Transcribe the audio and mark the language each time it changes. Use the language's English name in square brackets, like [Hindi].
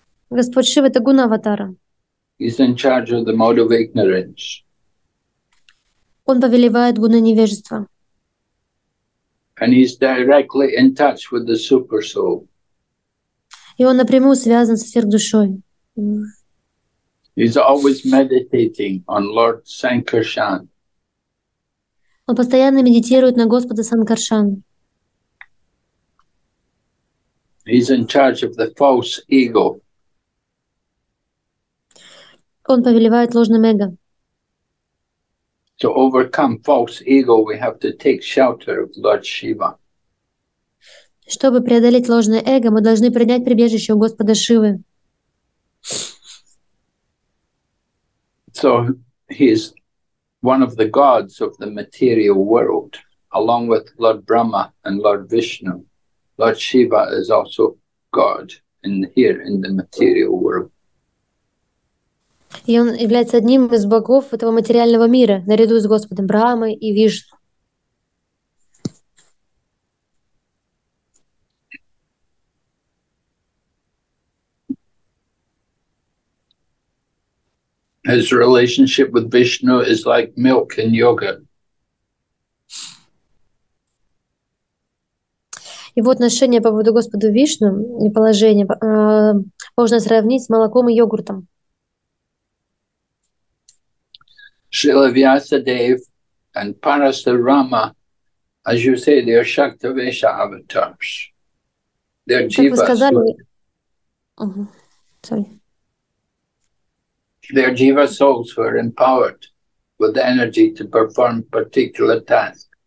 [Russian] Господь Шива — это Гуна Аватара. [English] He's in charge of the mode of ignorance. [Russian] Он повелевает Гуна невежества. [English] And he's directly in touch with the super soul. [Russian] И он напрямую связан с сверхдушой. [English] He's always meditating on Lord Sankarshan. [Russian] Он постоянно медитирует на Господа Санкаршан. [English] He's in charge of the false ego. [Russian] Он повелевает ложным эго. [English] To overcome false ego, we have to take shelter of Lord Shiva. [Russian] Чтобы преодолеть ложное эго, мы должны принять прибежище у Господа Шивы. [English] So he is one of the gods of the material world, along with Lord Brahma and Lord Vishnu. Lord Shiva is also God in here in the material world. [Russian] И он является одним из богов этого материального мира, наряду с Господом Брахмой и Вишну. [English] His relationship with Vishnu is like milk and yogurt. [Russian] Его отношение по поводу Господа Вишну и положение можно сравнить с молоком и йогуртом. [English] Srila Vyasadeva and Parasurama, as you say, they are Shaktivesha avatars. They are jivas. They are jiva souls who are empowered with the energy to perform particular tasks.